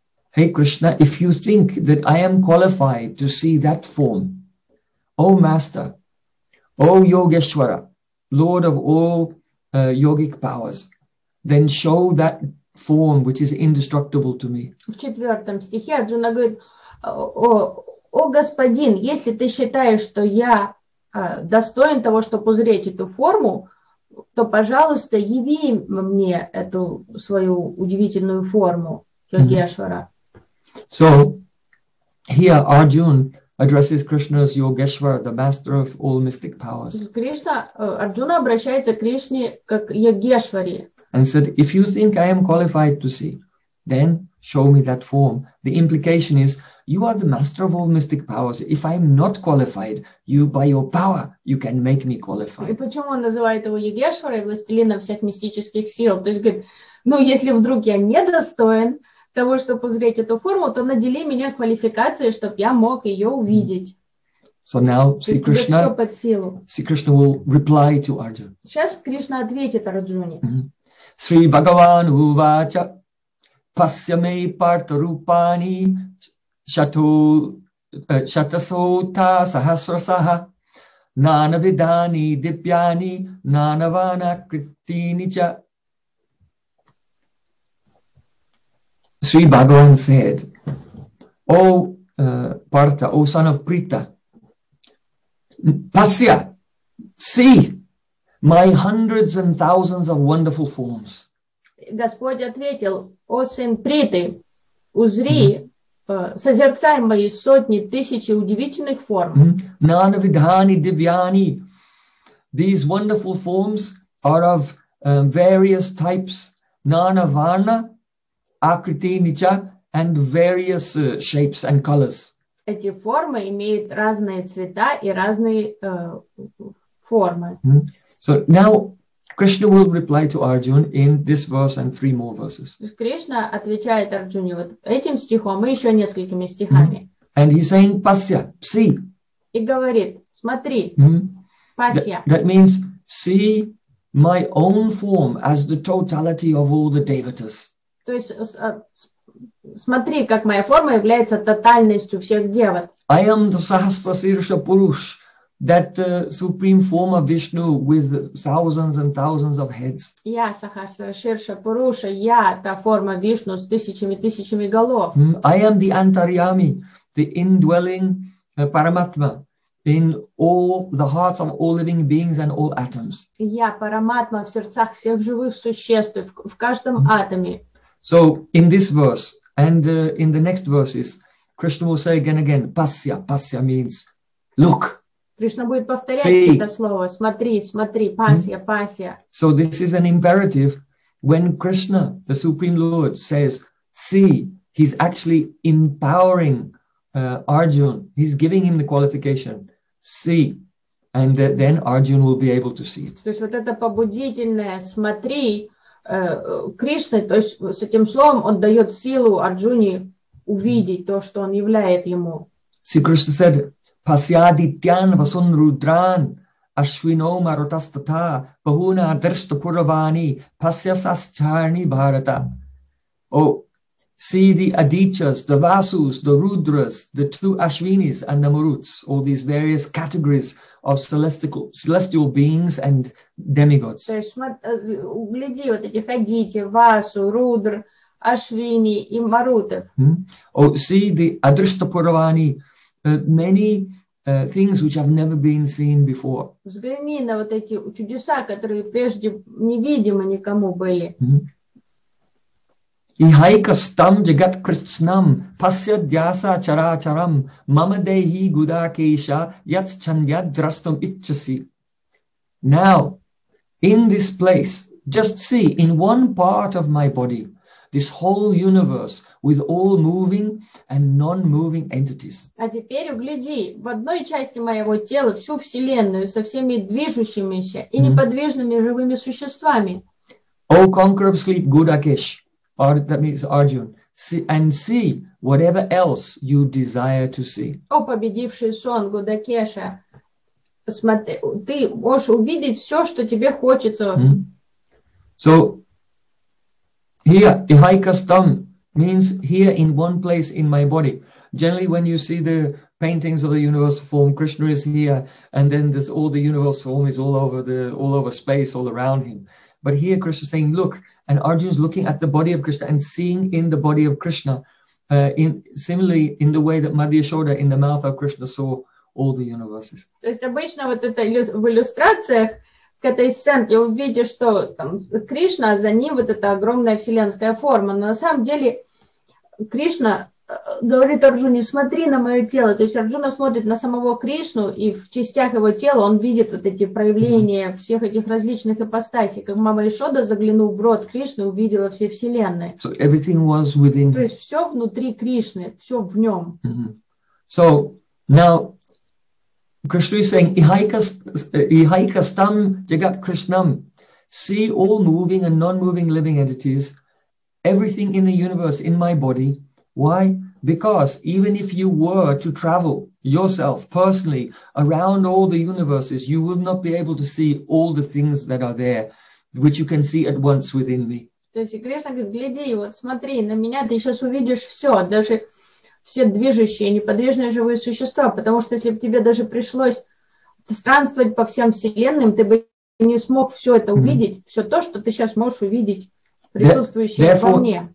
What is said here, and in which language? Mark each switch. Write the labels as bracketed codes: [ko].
[en] Hey Krishna, if you think that I am qualified to see that form, O Master, O Yogeshwara, Lord of all yogic powers, then show that form which is indestructible to me. [ru] В четвертом стихе Арджуна говорит, о господин, если ты считаешь, что я достоин того, чтобы узреть эту форму, то, пожалуйста, яви мне эту свою удивительную форму, Йогешвара. [en] So, here Arjuna addresses Krishna as Yogeshwara, the master of all mystic powers. [ru] Арджуна обращается к Кришне как Йогешваре. [en] And said, if you think I am qualified to see, then show me that form. The implication is, you are the master of all mystic powers. If I am not qualified, you, by your power, you can make me qualified. [ru] И почему он называет его Йогешварой, властелином всех мистических сил? То есть говорит, ну, если вдруг я недостоин того, чтобы узреть эту форму, то надели меня квалификацией, чтобы я мог ее увидеть. [en] So now, Sri Krishna will reply to Arjuna. [ru] Сейчас Кришна ответит Арджуне. [sa] Mm-hmm. Sri Bhagavan Uvacha Pasyame Partarupani Shatasota Sahasrasaha Nana Vidani Dipyani Nanavana Kritinicha. [en] Sri Bhagavan said, O Partha, O son of Prita, Pasya, see my hundreds and thousands of wonderful forms. [ru] Господь ответил, О сын Приты, узри, созерцай мои сотни, тысячи удивительных форм. [sa] Nana vidhani divyani. [en] These wonderful forms are of various types, [sa] nana varna, akriti nicha, [en] and various shapes and colors. [ru] Эти формы имеют разные цвета и разные формы. [en] So now Krishna will reply to Arjuna in this verse and three more verses. [ru] Кришна отвечает Арджуне вот этим стихом и еще несколькими стихами. [en] And he's saying, "Pasya, see." [ru] И говорит, смотри, Pasya. [en] That means, see my own form as the totality of all the devatas. [ru] То есть, смотри, как моя форма является тотальностью всех девот. [en] I am the Sahasrasirsha Purush. That supreme form of Vishnu with thousands and thousands of heads. [ru] Я Сахасра Ширша Пуруша. Я та форма Вишну с тысячами тысячами голов. [en] I am the Antaryami, the indwelling Paramatma in all the hearts of all living beings and all atoms. [ru] Я Параматма в сердцах всех живых существ в каждом атоме. [en] So in this verse and in the next verses, Krishna will say again and again, Pasya. Pasya means look. [ru] Кришна будет повторять See. Это слово. Смотри, смотри, пасья, пасья. [en] So this is an imperative. When Krishna, the Supreme Lord, says, see, he's actually empowering Arjuna. He's giving him the qualification. See. And then Arjuna will be able to see it. [ru] То есть вот это побудительное «смотри» Кришны, то есть с этим словом он дает силу Арджуне увидеть то, что он являет ему. [en] See, Krishna said, [sa] Pasyadityan vasun rudran ashwino marutastata bahuna adrishta puravani pasyasascharni bharata. [en] Oh, see the adichas, the vasus, the rudras, the two ashwinis and the maruts, all these various categories of celestial beings and demigods. [ru] То есть, гляди, вот этих адичи, васу, рудр, ашвини и марутов. [en] Oh, see the [sa] adrishta puravani, [en] many things which have never been seen before. [ru] Взгляни на вот эти чудеса, которые прежде невидимы никому были. [sa] Ихайкастам джагат кришнам пасья дьяса чара чарам мама дейхи гуда кейша яц чандья драстам иччаси. [en] Now, in this place, just see, in one part of my body, this whole universe with all moving and non-moving entities. [ru] А теперь угляди в одной части моего тела всю вселенную со всеми движущимися и неподвижными живыми существами. [en] O conqueror of sleep, Gudakesh, that means Arjuna, and see whatever else you desire to see. [ru] О победивший сон Гудакеша, смотри, ты можешь увидеть все, что тебе хочется. [en] So. Here, ihaikastam means here in one place in my body. Generally, when you see the paintings of the universal form, Krishna is here, and then this all the universal form is all over space, all around him. But here, Krishna is saying, look, and Arjuna is looking at the body of Krishna and seeing in the body of Krishna, similarly in the way that Madhya Yashoda in the mouth of Krishna saw all the universes. [ru] То есть обычно вот это в иллюстрациях. К этой сценке увидишь, что там Кришна, а за ним вот эта огромная вселенская форма. Но на самом деле Кришна говорит Арджуне, смотри на мое тело. То есть Арджуна смотрит на самого Кришну, и в частях его тела он видит вот эти проявления всех этих различных ипостасей. Как мама Ишода заглянула в рот Кришны и увидела все вселенные. [en] So everything was within... [ru] То есть все внутри Кришны, все в нем. [en] So now... Krishna is saying, [sa] ihaikastam jagat krishnam, [en] see all moving and non-moving living entities, everything in the universe, in my body. Why? Because even if you were to travel yourself, personally, around all the universes, you would not be able to see all the things that are there, which you can see at once within me. [ru] То есть Кришна говорит, гляди, вот смотри на меня, ты сейчас увидишь все, даже все движущие, неподвижные живые существа, потому что если бы тебе даже пришлось странствовать по всем вселенным, ты бы не смог все это увидеть, все то, что ты сейчас можешь увидеть, присутствующее во мне.